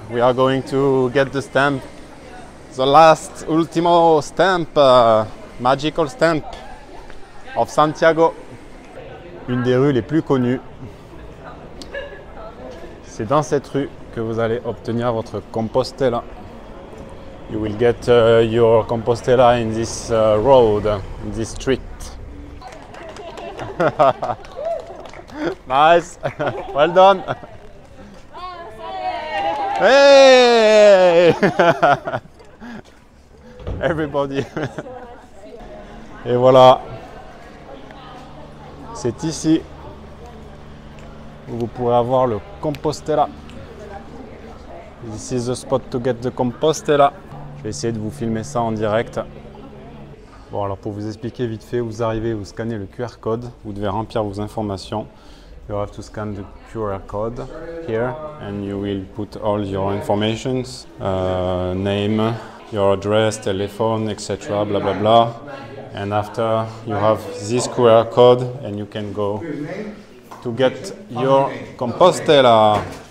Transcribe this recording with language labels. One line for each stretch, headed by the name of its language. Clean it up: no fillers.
English: We are going to get the stamp. The last, ultimo stamp, magical stamp of Santiago.
French: Une des rues les plus connues C'est dans cette rue que vous allez obtenir votre Compostela.
English: You will get your Compostela in this road, in this street. Nice! Well done! Hey! Everybody!
French: Et voilà! C'est ici où vous pourrez avoir le Compostela.
English: This is the spot to get the Compostela.
French: Je vais essayer de vous filmer ça en direct. Bon, alors pour vous expliquer vite fait, vous arrivez, vous scannez le QR code, vous devez remplir vos informations.
English: You have to scan the QR code here and you will put all your informations, name, your address, telephone, etc. blah blah blah. And after you have this QR code and you can go to get your Compostela.